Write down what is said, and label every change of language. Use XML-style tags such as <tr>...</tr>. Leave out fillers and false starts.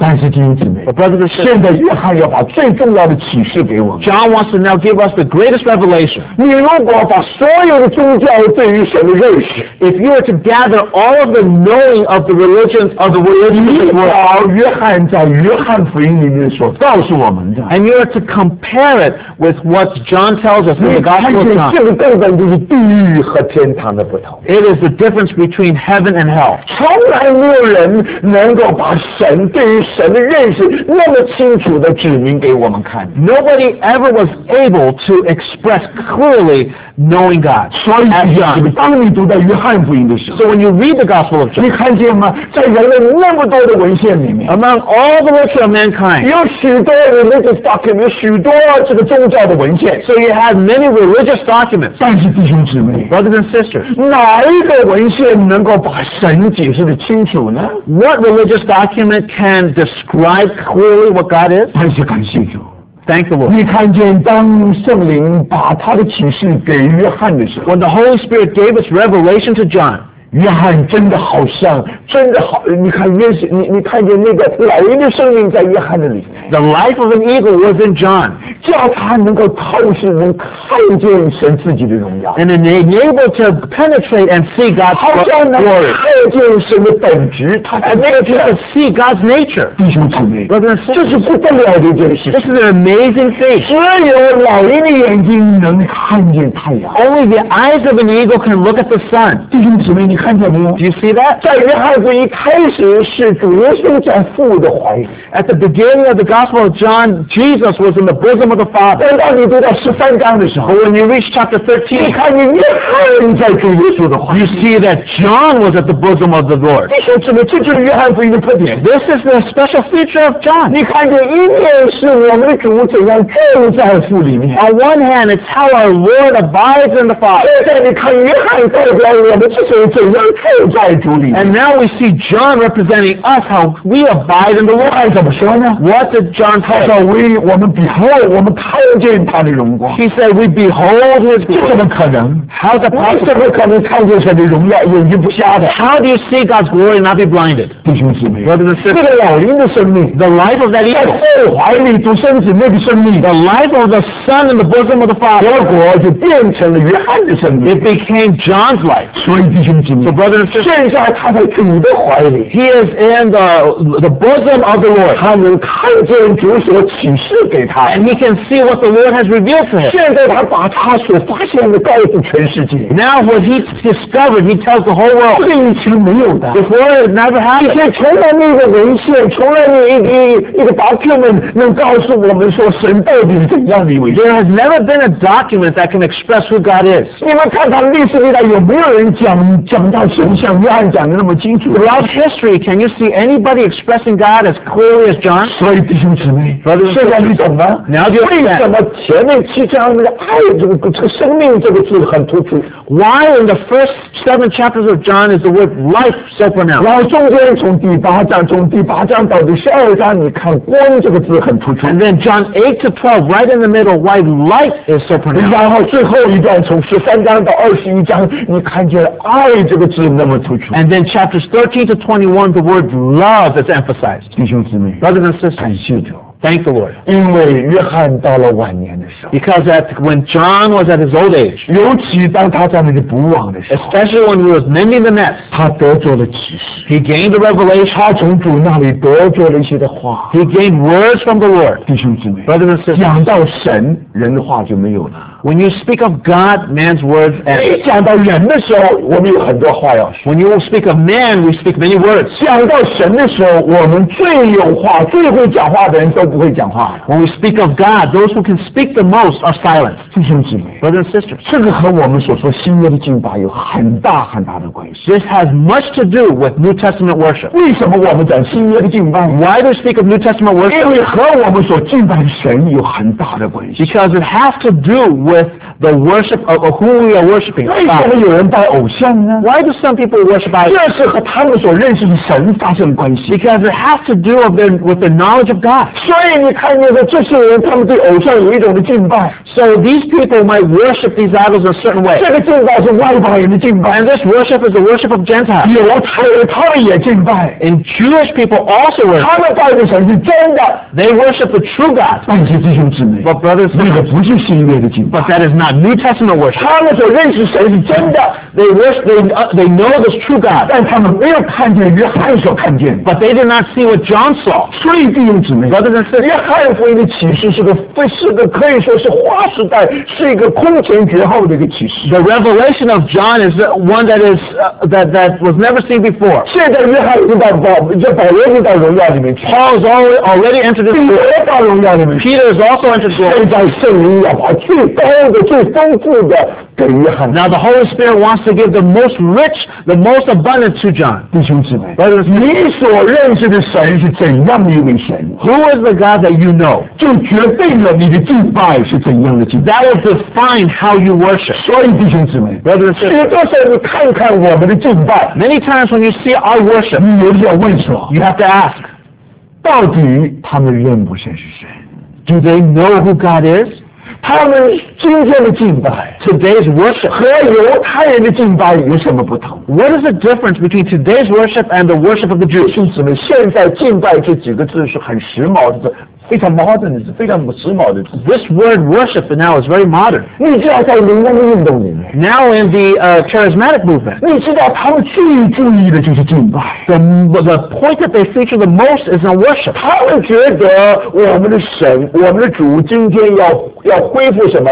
<zh>但是弟兄姊妹</zh> <en>，But brothers and sisters,</en> <zh>现在约翰要把最重要的启示给我们。</zh> <en>John wants to now give us the greatest revelation.</en> <zh>你如果把所有的宗教对于神的认识</zh> <en>，If you were to gather all of the knowing of the religions of the world,</en> <zh>你把约翰在约翰福音里面所告诉我们的</zh> <en>，And you were to compare it with what John tells tells us in the Gospel of John. It is the difference between heaven and hell.</en> <zh>从来没有人能够把神对于神的认识那么清楚地指明给我们看。</zh> <en>Nobody ever was able to express clearly knowing God.</en> <zh>所以当你读到约翰福音的时候</zh> <en>So when you read the Gospel of John,</en> <zh>你看见吗在人类那么多的文献里面</zh> <en>Among all the works of mankind,</en> <zh>有许多</zh> <en>religious documents,</en> <zh>有许多这个宗教的文献</zh> <en>So you have many religious documents.</en> <zh>但是弟兄姊妹</zh> <en>Brothers and sisters,</en> <zh>哪一个文献能够把神解释得清楚呢</zh> <en>What religious document can describe clearly what God is?</en> <zh>但是感谢主</zh> <en>Thank the Lord.</en> <zh>你看见当圣灵把他的启示给约翰的时候</zh> <en>When the Holy Spirit gave its revelation to John,</en> <zh>约翰真的好像真的好你看约翰 你看见那个老鹰的生命在约翰的里面</zh> <en>The life of an eagle was in John.</en> <zh>叫他能够透视能看见神自己的荣耀</zh> <en>And enabled to penetrate and see God's glory.</en> <zh>好像能看见神的本质</zh> <en>enabled to see God's nature.</en> <zh>弟兄姊妹</zh> <en>Brother and sister,</en> <zh>这是不得了的一件事</zh> <en>This is an amazing thing.</en> <zh>只有老鹰的眼睛能看见太阳</zh> <en>Only the eyes of an eagle can look at the sun.</en> <zh>弟兄姊妹你看见没有</zh> <en>Do you see that?</en> <zh>在约翰福音开始是主耶稣在父的怀里</zh> <en>At the beginning of the Gospel of John, Jesus was in the bosom of the Father.</en> <zh>但当你读到十三章的时候</zh> <en>But when you reach chapter 13,</en> <zh>你看见约翰在主耶稣的怀里</zh> <en>You see that John was at the bosom of the Lord.</en> <zh>弟兄姊妹这就是约翰福音的特点</zh> <en>This is the special feature of John.</en> <zh>你看见一面是我们的主怎样住在父里面</zh> <en>On one hand, it's how our Lord abides in the Father.</en> <zh>但你看约翰代表我们这些人怎样住在主里面</zh> <en>And now we see John representing us, how we abide in the Lord.</en> <zh>怎么说呢</zh> <en>What did John say?</en> <zh>他说我们</zh> <en>behold,</en> <zh>我们看见他的荣光</zh> <en>He said, we behold his glory.</en> <zh>这怎么可能</zh> <en>How is it possible?</en> <zh>我们怎么可能看见神的荣耀眼睛不瞎的</zh> <en>How do you see God's glory and not be blinded?</en> <zh>弟兄姊妹</zh> <en>Brother and sister,</en> <zh>这个老鹰的生命</zh> <en>The life of that eagle.</en> <zh>在父怀里独生子那个生命</zh> <en>The life of the son in the bosom of the father.</en> <zh>结果就变成了约翰的生命</zh> <en>It became John's life.</en> <zh>所以弟兄姊妹</zh> <en>So brother and sister,</en> <zh>现在他在主的怀里</zh> <en>He is in the bosom of the Lord.</en> <zh>他能看见主所启示给他</zh> <en>And he can see what the Lord has revealed to him.</en> <zh>现在他把他所发现的告诉全世界</zh> <en>Now what he discovered, he tells the whole world.</en> <zh>这以前没有的</zh> <en>Before it never happened.</en> <zh>以前从来没有文献从来没有一个</zh> <en>document</en> <zh>能告诉我们说神到底是怎样的一位</zh> <en>There has never been a document that can express who God is.</en> <zh>你们看看历史里面有没有人讲到神像约翰讲的那么清楚</zh> <en>Throughout history, can you see anybody expressing God as clearly as John?</en> <zh>所以弟兄姊妹</zh> <en>Brother,</en> <zh>现在你懂吗</zh> <en>Now do you understand?</en> <zh>为什么前面七章那个爱这个生命这个字很突出</zh> <en>Why in the first seven chapters of John is the word life so pronounced?</en> <zh>然后中间从第八章到第十二章你看光这个字很突出</zh> <en>And then John 8 to 12, right in the middle, why life is so pronounced?</en> <zh>然后最后一段从十三章到二十一章你看见爱这个字那么突出</zh> <en>And then chapters 13 to 21, the word love is emphasized.</en> <zh>弟兄姊妹</zh> <en>Brothers and sisters,</en> <zh>感谢主</zh> <en>Thank the Lord.</en> <zh>因为约翰到了晚年的时候</zh> <en>Because when John was at his old age,</en> <zh>尤其当他在那里捕网的时候</zh> <en>Especially when he was mending the nets,</en> <zh>他得着了启示</zh> <en>He gained a revelation.</en> <zh>他从主那里得着了一些的话</zh> <en>He gained words from the Lord.</en> <zh>弟兄姊妹</zh> <en>Brothers and sisters,</en> <zh>讲到神人的话就没有了</zh> <en>When you speak of God, man's words end.</en> <zh>讲到人的时候，我们有很多话要说。</zh> <en>When you speak of man, we speak many words.</en> <zh>讲到神的时候，我们最有话、最会讲话的人都不会讲话。</zh> <en>When we speak of God, those who can speak the most are silent.</en> <zh>弟兄姊妹</zh> <en>Brothers and sisters,</en> <zh>这个和我们所说新约的敬拜有很大很大的关系。</zh> <en>This has much to do with New Testament worship.</en> <zh>为什么我们讲新约的敬拜</zh> <en>Why do we speak of New Testament worship?</en> <zh>因为和我们所敬拜的神有很大的关系。</zh> <en>Because it has to do with the worship of who we are worshiping.</en> <zh>为什么有人拜偶像呢</zh> <en>Why do some people worship idols?</en> <zh>这是和他们所认识的神发生关系。</zh> <en>Because it has to do with the knowledge of God.</en> <zh>所以你看见说这些人他们对偶像有一种的敬拜。</zh> <en>So these people might worship these idols in a certain way.</en> <zh>这个敬拜是外邦人的敬拜。</zh> <en>And this worship is the worship of Gentiles.</en> <zh>犹太人他们也敬拜。</zh> <en>And Jewish people also worship.</en> <zh>他们拜的神是真的。</zh> <en>They worship the true God.</en> <zh>但是弟兄姊妹</zh> <en>But brothers,</en> <zh>那个不是新约的敬拜。</zh> <en>That is not New Testament worship.</en> <zh>他们所认识谁是真的。</zh> <en>They worship, they know this true God.</en> <zh>但他们没有看见约翰所看见。</zh> <en>But they did not see what John saw.</en> <zh>所以弟兄姊妹。</zh> <en>Brothers and sisters.</en> <zh>约翰福音的启示是个可以说是划时代，是一个空前绝后的一个启示。</zh> <en>The revelation of John is one that is, that was never seen before.</en> <zh>现在约翰已经到保，这保罗已经到荣耀里面去。</zh> <en>Paul is already entered this glory.</en> <zh>彼得到荣耀里面。</zh> <en>Peter is also entered glory.</en> <zh>现在圣灵要把最高的、最丰富的给约翰。</zh> <en>Now the Holy Spirit wants to give the most rich, the most abundant to John.</en> <zh>弟兄姊妹，你所认识的神是怎样的一位神？</zh> <en>Who is the God that you know?</en> <zh>就决定了你的敬拜是怎样的敬拜。</zh> <en>That will define how you worship.</en> <zh>所以弟兄姊妹，</zh> <en>brothers and sisters,</en> <zh>许多时候你看看我们的敬拜。</zh> <en>Many times when you see our worship,</en> <zh>你有要问什么？</zh> <en>You have to ask.</en> <zh>到底他们认不认识神？</zh> <en>Do they know who God is?</en> <zh>他们今天的敬拜，</zh> <en>Today's worship</en> <zh>和犹太人的敬拜有什么不同？</zh> <en>What is the difference between today's worship and the worship of the Jews?</en> <zh>兄弟们，现在敬拜这几个字是很时髦的，非常</zh> <en>modern，</en> <zh>是非常时髦的。</zh> <en>This word worship now is very modern.</en> <zh>你知道在灵恩运动里面，</zh> <en>now in the charismatic movement，</en> <zh>你知道他们最注意的就是敬拜。</zh> <en>The point that they feature the most is on worship.</en> <zh>他们觉得我们的神，我们的主今天要恢复什么？</zh>